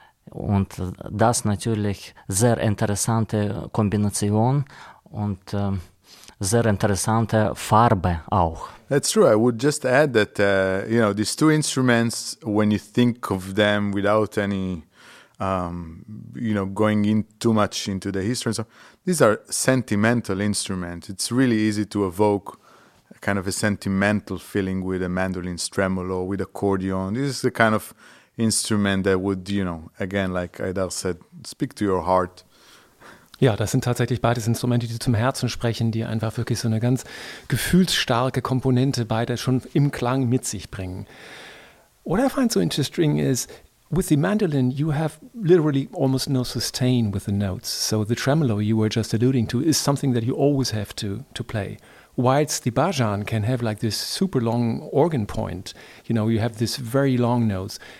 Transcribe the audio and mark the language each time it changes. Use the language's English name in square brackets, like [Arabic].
[German] Und das natürlich sehr interessante Kombination und sehr interessante Farbe auch. [English] That's true. I would just add that, you know, these two instruments, when you think of them without any, you know, going in too much into the history, so these are sentimental instruments. It's really easy to evoke a kind of a sentimental feeling with a mandolin, tremolo, with accordion. This is the kind of instrument that would, you know, again, like Aidar said, speak to your heart. [German] Ja, das sind tatsächlich beides Instrumente, die zum Herzen sprechen, die einfach wirklich so eine ganz gefühlsstarke Komponente beide schon im Klang mit sich bringen. [English] What I find so interesting is, with the mandolin, you have literally almost no sustain with the notes. So the tremolo you were just alluding to is something that you always have to play. Whilst the bajan can have like this super long organ point, you know, you have this very long notes.